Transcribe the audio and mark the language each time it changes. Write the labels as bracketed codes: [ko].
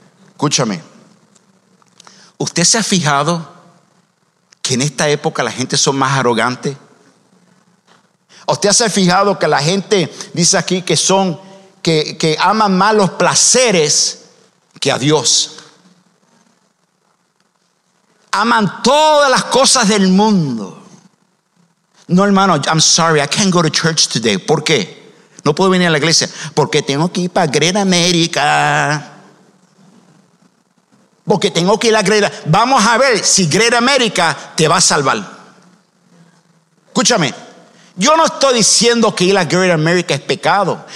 [es] Escúchame, ¿usted se ha fijado que en esta época la gente son más arrogantes? ¿Usted se ha fijado que la gente dice aquí que son que aman más los placeres que a Dios? Aman todas las cosas del mundo. No, hermano, [en] I'm sorry, I can't go to church today. [es] ¿Por qué? No puedo venir a la iglesia. Porque tengo que ir para Great America. Porque tengo que ir a Great America. Vamos a ver si Great America te va a salvar. Escúchame, yo no estoy diciendo que ir a Great America es pecado.